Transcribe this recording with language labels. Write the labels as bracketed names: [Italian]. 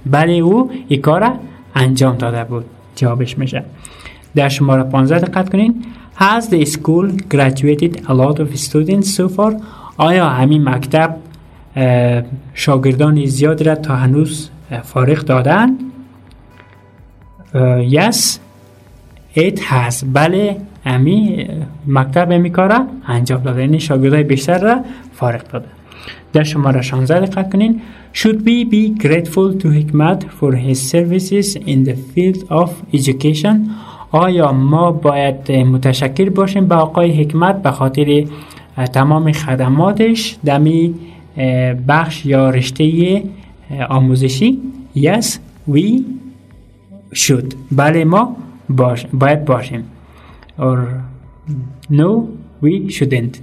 [Persian] بله او این کار انجام داده بود. جوابش میشه. در شماره 15 دقت کنین. [English] Has the school graduated a lot of students so far? [Persian] آیا همین مکتب شاگردان زیاد را تا هنوز فارغ دادن؟ [English] Yes, it has. [Persian] بله امی مکتب امی کار را انجام داده. یعنی شاگردای بیشتر را فارغ داده. در شماره 16 دقت کنین. [English] Should we be grateful to Hikmat for his services in the field of education? [Persian] آیا ما باید متشکر باشیم به آقای حکمت به خاطر تمام خدماتش در می بخش یا رشته آموزشی؟ [English] Yes, we should. [Persian] بله ما باید باشیم. [English] Or no, we shouldn't.